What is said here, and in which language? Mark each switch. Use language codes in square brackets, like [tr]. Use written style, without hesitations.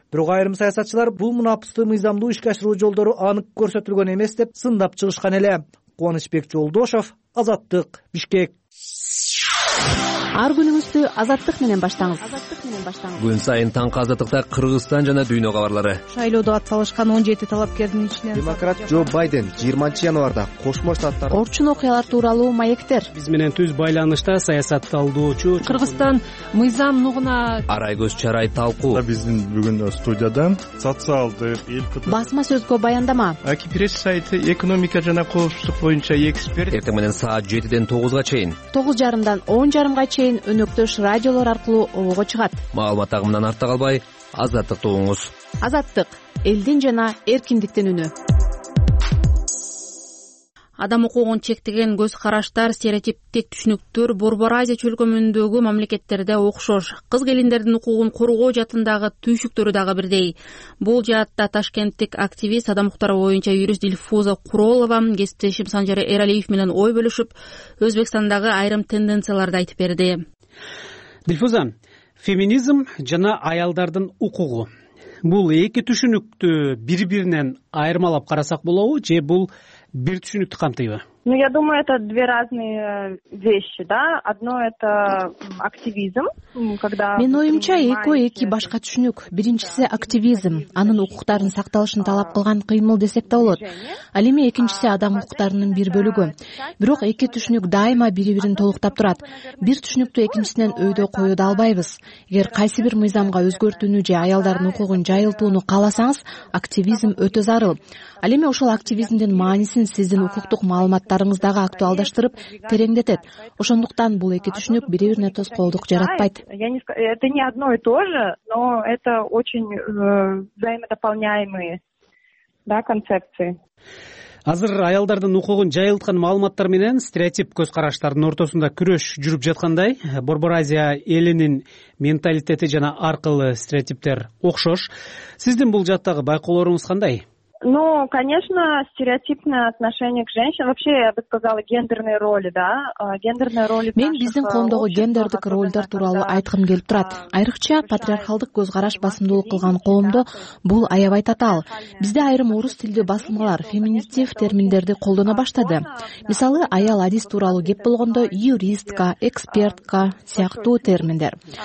[ky] Бирок айрым саясатчылар бул мунапысты мыйзамдуу ишке ашыруу жолдору анык көрсөтүлгөн эмес деп сындап чыгышкан эле. Кубанычбек Жолдошов, Азаттык, Бишкек. Ар күнүңүздү азаттык менен баштаңыз. Күн сайын таңкы азаттыкта Кыргызстан жана дүйнө кабарлары. Шайлоодо атсалышкан 17 талапкердин ичинен демократ Джо Байден 20 январда Кошмо Штаттар орчун окуялар тууралуу маектер. Биз менен түз байланышта саясат талдоочу. Кыргызстан мыйзам нугуна Арайгөз Чарай талкуу. Биздин бүгүн студиядан социалдык басма сөзгө баяндама. Аки пресс сайты экономика жана коопсуздук боюнча эксперт. Эртең менен саат 7:00 9:00 чейин. 9:30 10:30 чейин өнөктөш радиолор аркылуу обого чыгат. Маалымат агымынан артта калбай, азаттыкты угуңуз. Азаттык элдин жана эркиндиктин үнү. Адам укугун чектеген көз караштар, стереотиптик түшүнүктөр Борбор Азия чөлкөмүндөгү мамлекеттерде окшош. Кыз келиндердин укугун коргоо жатындагы түйшүктөрү дагы бирдей. Бул жаатта ташкенттик активист, адам укуктары боюнча юрист Дилфуза Куролова, кесиптешим Санжар Эралиев менен ой бөлүшүп, Өзбекстандагы айрым тенденцияларды айтып берди. Дилфуза, феминизм жана аялдардын укугу. Бул эки түшүнүктү бири-биринен айырмалап карасак болобу же бул бир түшүнүктү камтыйбы? [ru] Ну, я думаю, это две разные вещи, да. Одно это активизм, когда... [ky] Мен ойымча эки башка түшүнүк. Биринчиси активизм, анын укуктарын сакталышын талап кылган кыймыл десек да болот. Ал эми экинчиси адам укуктарынын бир бөлүгү. Бирок эки түшүнүк дайыма бири-бирин толуктап турат. Бир түшүнүктү экинчисинен өйдө коюу да албайбыз. Эгер кайсы бир мыйзамга өзгөртүүнү же аялдардын укугун жайылтууну кааласаңыз, активизм өтө зарыл. Ал эми ошол активизмдин маанисин сиздин укуктук маалыматтарыңыздагы актуалдаштырып, тереңдетет. Ошондуктан бул эки түшүнүк бири-бирине тоскоолдук жаратпайт. [ru] Это не одно и то же, но это очень взаимодополняемые концепции. [ky] Азыр аялдардын укугун жайылткан маалыматтар менен стереотип көз караштардын ортосунда күрөш жүрүп жаткандай, Борбор Азия элинин менталитети жана ар кылуу стереотиптер окшош. Сиздин бул жааттагы байкоолоруңуз кандай? [ru] Ну, конечно, стереотипное отношение к женщинам. Вообще, я бы сказала, гендерные роли, да? Гендерные роли. [ky] Мен биздин коомдогу гендердик ролдор тууралуу айткым келип турат. Айрыкча патриархалдык көз караш басымдуулук кылган коомдо бул аябай татаал. Бизде айрым орус тилдүү басылмалар феминистик терминдерди колдоно баштады. Мисалы, аял адис тууралуу кеп болгондо юристка, экспертка сыяктуу терминдер.